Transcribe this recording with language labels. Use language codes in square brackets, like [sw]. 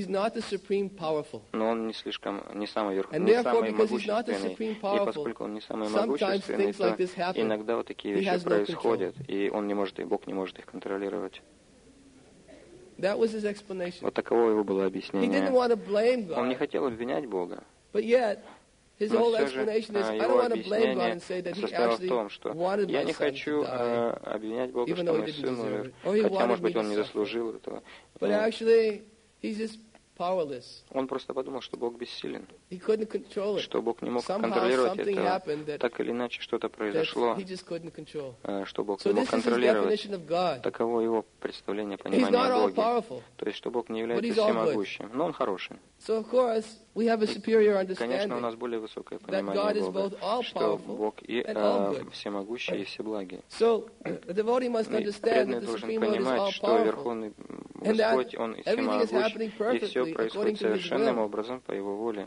[ru] Но он не самый верховный, не самый могущественный. И поскольку он не самый могущественный, иногда вот такие вещи происходят, и он не может, и Бог не может их контролировать. Вот таково его было объяснение. Он не хотел обвинять Бога. [en] His [ru] Но [en] whole explanation is, I don't want to blame God and say that he actually [ru] том, что [en] wanted [ru] я не хочу обвинять Бога, что мой сын умер, хотя, может быть, он не заслужил этого. [en] But actually, he's just powerless. [ru] Он просто подумал, что Бог бессилен. [en] He couldn't control it. [ru] Что Бог не мог контролировать это. Так или иначе, что-то произошло, что Бог не мог контролировать. Таково его представление, понимание о Боге. То есть, что Бог не является всемогущим, но он хороший. [en] So of course, we have a superior understanding. [ru] Конечно, у нас более высокое понимание Бога, [en] God is both all-powerful [ru] что Бог и всемогущий, и всеблагий. [en] So, the devotee must understand that the Supreme Lord is all-powerful. [ru] Верховный Господь, он всемогущий, и все происходит совершенным образом по его воле.